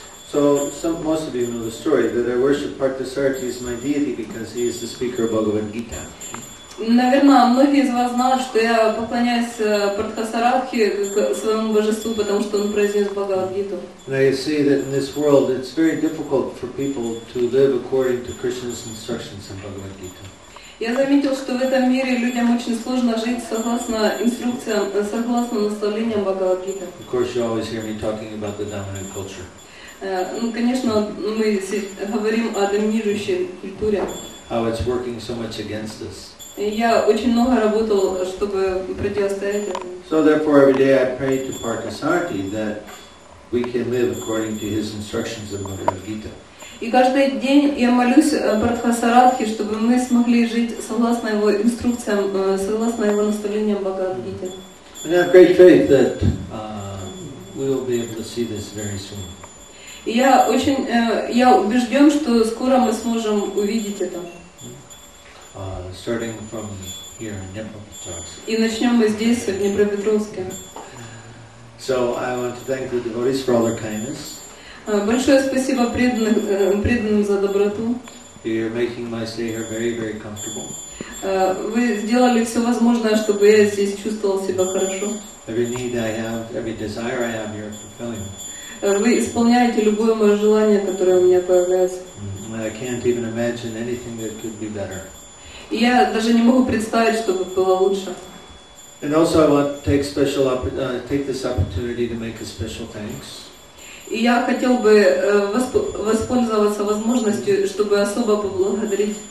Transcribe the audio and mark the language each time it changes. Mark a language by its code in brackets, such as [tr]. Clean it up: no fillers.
[en] So some most of you know the story that I worship Partasarathi as my deity because he is the speaker of Bhagavad Gita. [ru] Наверное, многие из вас знают, что я поклоняюсь Партасарахи своему божеству, потому что он произнес Бхагавад Гиту. [en] And I see that in this world it's very difficult for people to live according to Krishna's instructions in Bhagavad Gita. [ru] Я заметил, что в этом мире людям очень сложно жить согласно инструкциям, согласно наставлениям Бхагавад-гиты. [en] Of course, you always hear me talking about the dominant culture. [ru] Ну, конечно, мы говорим о доминирующей культуре. [en] How it's working so much against us. [ru] Я очень много работал, чтобы противостоять этому. [en] So, therefore, every day I pray to Partasarathi that we can live according to his instructions of Bhagavad-gita. [ru] И каждый день я молюсь Партхасарадхи, чтобы мы смогли жить согласно его инструкциям, согласно его наставлениям Бхагавад-гиты. [en] I have great faith that we will be able to see this very soon. [ru] Я убежден, что скоро мы сможем увидеть это. [en] Starting from here in Днепропетровск. [ru] И начнем мы здесь, в Днепропетровске. [en] So I want to thank the devotees for all their kindness. [ru] Большое спасибо преданным за доброту. [en] You're making my stay here very, very comfortable. [ru] Вы сделали все возможное, чтобы я здесь чувствовал себя хорошо. [en] Every need I have, every desire I have, you're fulfilling. [ru] Вы исполняете любое мое желание, которое у меня появляется. [en] I can't even imagine anything that could be better. [ru] Я даже не могу представить, чтобы было лучше. [en] And also I want to take this opportunity to make a special thanks. [ru] И я хотел бы воспользоваться возможностью, чтобы особо поблагодарить